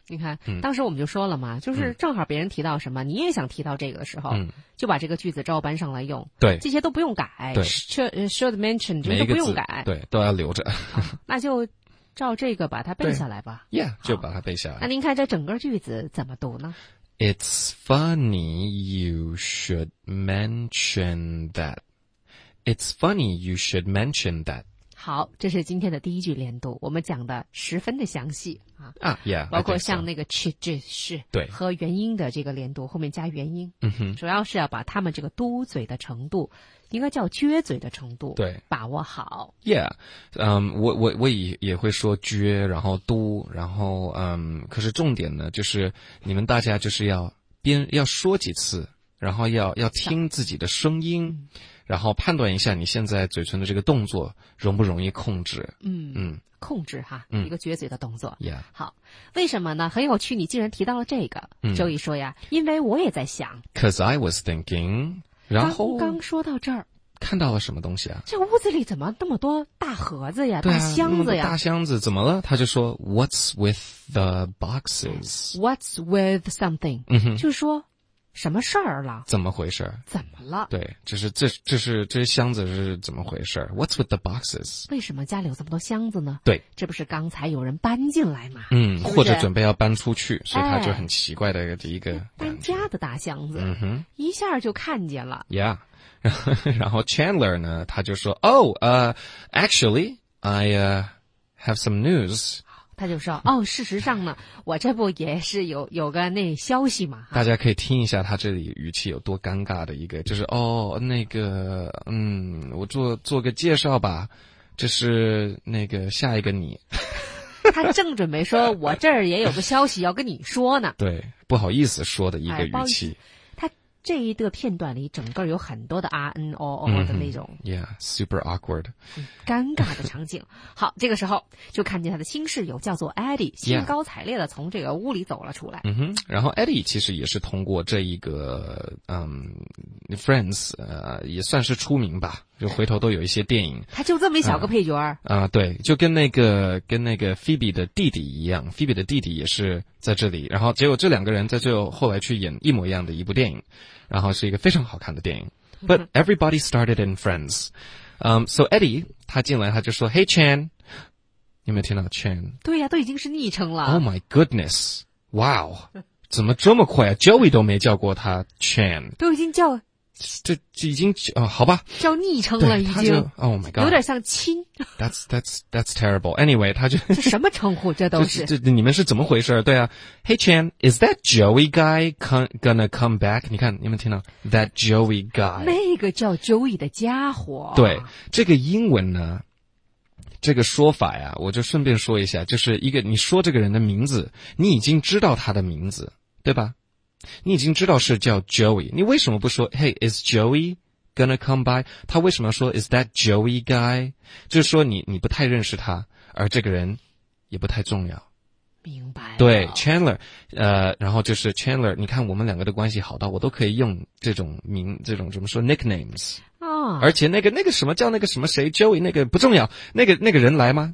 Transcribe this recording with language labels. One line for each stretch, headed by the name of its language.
Chinese: 你看，当时我们就说了嘛，就是正好别人提到什么，你也想提到这个的时候，就把这个句子照搬上来用。对，这些都不用改。对，should mention 这些都不用改。对，都要留着。那就照这个把它背下来吧。 Yeah， 就把它背下来。那您看这整个句子怎么读呢
English: ？It's funny you should mention that. It's funny you should mention that.
Chinese: 好，这是今天的第一句连读，我们讲的十分的详细啊，
English: yeah,
Chinese: 包括像那个 ch 这是对和元音的这个连读，后面加元音，主要是要把他们这个嘟嘴的程度，应该叫撅嘴的程度，对，把握好。 Yeah， 我也会说撅，然后嘟，然后可是重点呢，就是你们大家就是要边要说几次，然后要听自己的声音。然后判断一下你现在嘴唇的这个动作容不容易控制。控制哈，一个撅嘴的动作。
English: Yeah.
Chinese: 好，为什么呢？很有趣，你竟然提到了这个。周一说呀，因为我也在想。
English: Cause I was thinking， 然后。
Chinese: 刚说到这儿。看到了什么东西啊？这屋子里怎么那么多大盒子呀？对啊，大箱子呀。大箱子怎么了？他就说 ,
English: What's with the boxes? What's with something?、就是说。
Chinese: 什么事儿了？怎么回事？怎么了？对，这箱子是怎么回事 ？
English: What's with the boxes？
Chinese: 为什么家里有这么多箱子呢？对，这不是刚才有人搬进来吗？是或者准备要搬出去，所以他就很奇怪的一个、搬家的大箱子，一下就看见了。
English: Yeah，
Chinese: 然后 Chandler 呢，他就说
English: ，Oh， actually， I have some news。
Chinese: 他就说哦，事实上呢，我这不也是有个那消息嘛。大家可以听一下他这里语气有多尴尬的一个，就是哦，那个我做个介绍吧，这是那个下一个你。他正准备说我这儿也有个消息要跟你说呢。对，不好意思说的一个语气。这一个片段里整个有很多的 RNOO 的那种。
English: Yeah, super awkward.
Chinese: 尴尬的场景。好，这个时候就看见他的新室友叫做 Eddie, 兴高采烈的从这个屋里走了出来。
English: Yeah.
Chinese: 然后 Eddie 其实也是通过这一个Friends, 也算是出名吧。就回头都有一些电影。他就这么一小个配角。对，就跟那个 Phoebe 的弟弟一样， Phoebe 的弟弟也是在这里，然后结果这两个人在最后后来去演一模一样的一部电影，然后是一个非常好看的电影。
English: But everybody started in Friends.
Chinese: So Eddie, 他进来他就说
English: Hey Chan,
Chinese: 你有没有听到 Chan? 对呀、啊、都已经是昵称了。
English: Oh my goodness, wow,
Chinese: 怎么这么快啊， Joey 都没叫过他 Chan。都已经叫这已经啊、好吧，叫昵称了已经。
English: Oh my god，
Chinese: 有点像亲。
English: That's terrible. Anyway， 他就
Chinese: 这什么称呼？这都是这你们是怎么回事？对啊
English: ，Hey Chan， is that Joey guy gonna come back？
Chinese: 你看，你们听到
English: that Joey guy？
Chinese: 那个叫 Joey 的家伙。对，这个英文呢，这个说法呀，我就顺便说一下，就是一个你说这个人的名字，你已经知道他的名字，对吧？你已经知道是叫 Joey， 你为什么不说
English: Hey, is Joey gonna come by？
Chinese: 他为什么要说
English: Is that Joey guy？
Chinese: 就是说你不太认识他，而这个人也不太重要。明白了。对 ，Chandler， 然后就是 Chandler， 你看我们两个的关系好到我都可以用这种名，这种怎么说 nicknames 啊、哦？而且那个什么叫那个什么谁 Joey 那个不重要，那个人来吗？